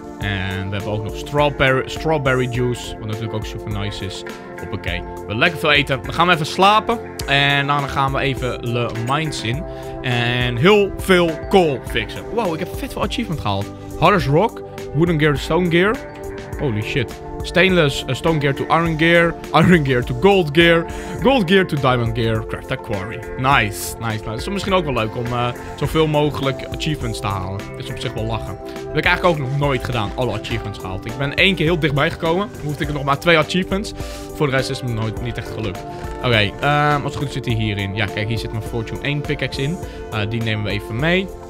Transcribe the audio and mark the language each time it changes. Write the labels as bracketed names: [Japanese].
[Dutch] En we hebben ook nog strawberry juice. Wat natuurlijk ook super nice is. Hoppakee. We hebben lekker veel eten. Dan gaan we even slapen. En daarna gaan we even Le Mines in. En heel veel coal fixen. Wow, ik heb vet veel achievement gehaald. [English] Hardest rock. Wooden gear, stone gear. Holy shit. Stainless stone gear to iron gear. Iron gear to gold gear. Gold gear to diamond gear. Craft a quarry. [Dutch] Nice, nice, nice. Het is misschien ook wel leuk om zoveel mogelijk achievements te halen. Is op zich wel lachen. Dat heb ik eigenlijk ook nog nooit gedaan. Alle achievements gehaald. Ik ben één keer heel dichtbij gekomen. Dan hoefde ik er nog maar 2 achievements. Voor de rest is het me nooit niet echt gelukt. Oké, okay, als het goed zit hij hierin. Ja, kijk, hier zit mijn Fortune 1 pickaxe in. Die nemen we even mee.